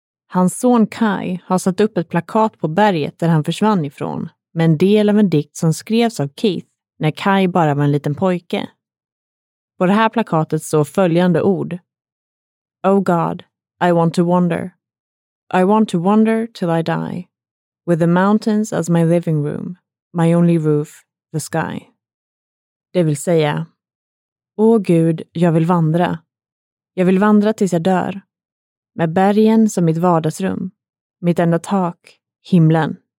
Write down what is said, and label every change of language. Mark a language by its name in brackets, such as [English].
[Swedish] Hans son Kai har satt upp ett plakat på berget där han försvann ifrån med en del av en dikt som skrevs av Keith när Kai bara var en liten pojke. På det här plakatet står följande ord: [English] "Oh God, I want to wander. I want to wander till I die. With the mountains as my living room, my only roof, the sky." [Swedish] Det vill säga: "Åh Gud, jag vill vandra. Jag vill vandra tills jag dör. Med bergen som mitt vardagsrum, mitt enda tak, himlen."